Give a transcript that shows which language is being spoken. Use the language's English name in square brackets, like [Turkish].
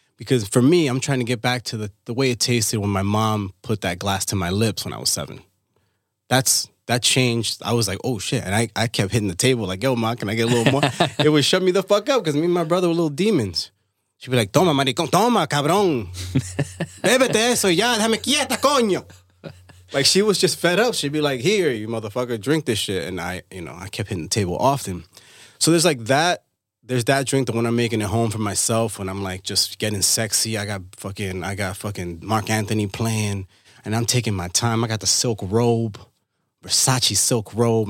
[English] Because for me, I'm trying to get back to the way it tasted when my mom put that glass to my lips when I was 7. That changed. I was like, oh shit. And I kept hitting the table like, yo, Ma, can I get a little more? It would shut me the fuck up because me and my brother were little demons. She'd be like, [Spanish] toma, maricón, toma, cabrón. Bébete eso ya, déjame quieta, coño. [English] Like, she was just fed up. She'd be like, here, you motherfucker, drink this shit. And I kept hitting the table often. So there's like that. There's that drink, the one I'm making at home for myself when I'm like just getting sexy. I got fucking Mark Anthony playing. And I'm taking my time. I got the silk robe, Versace silk robe.